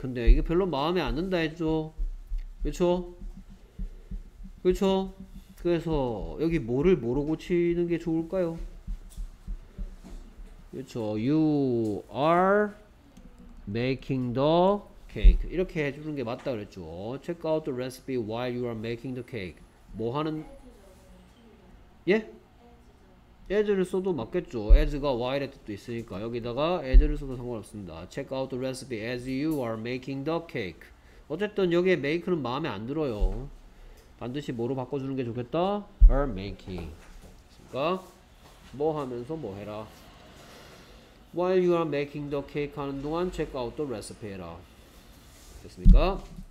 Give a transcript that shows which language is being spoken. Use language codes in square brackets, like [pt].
[ko] 근데 이게 별로 마음에 안 든다 했죠. 그렇죠. 그렇죠. 그래서 여기 뭐를 뭐로 고치는 게 좋을까요? 그렇죠. [en] You are making the cake. [ko] 이렇게 해주는 게 맞다 그랬죠. [en] Check out the recipe while you are making the cake. [ko] 뭐 하는? 예? as를 써도 맞겠죠. as가 while의 뜻도 있으니까 여기다가 as를 써도 상관없습니다. [en] Check out the recipe as you are making the cake. [ko] 어쨌든 여기에 make는 마음에 안 들어요. 반드시 뭐로 바꿔주는 게 좋겠다. [en] are making. [ko] 그러니까 뭐 하면서 뭐 해라. [en] While you are making the cake [ko] 하는 동안 [en] check out the recipe [ko] 해라. 됐습니까?